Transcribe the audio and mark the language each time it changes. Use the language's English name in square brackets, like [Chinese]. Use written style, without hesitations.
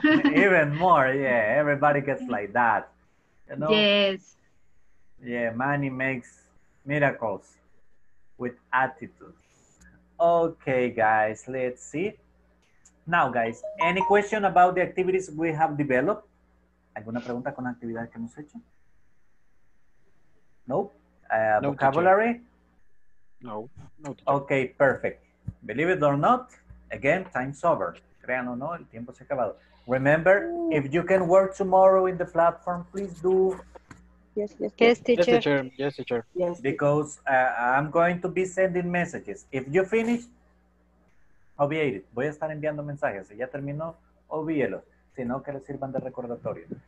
[English] Even more, yeah. Everybody gets like that. You know? Yes. Yeah, money makes miracles with attitude. Okay, guys, let's see. Now, guys, any question about the activities we have developed? [Spanish] ¿Alguna pregunta con la actividad que hemos hecho? [English] Nope. No vocabulary? No. Okay, perfect. Believe it or not, again, time's over. [Spanish] Crean o no, el tiempo se ha acabado. [English] Remember, if you can work tomorrow in the platform, please do. Yes, teacher. Because I'm going to be sending messages. If you finish, obviate it. [Spanish] Voy a estar enviando mensajes. Si ya terminó, obvíelo. Si no, que le sirvan de recordatorio.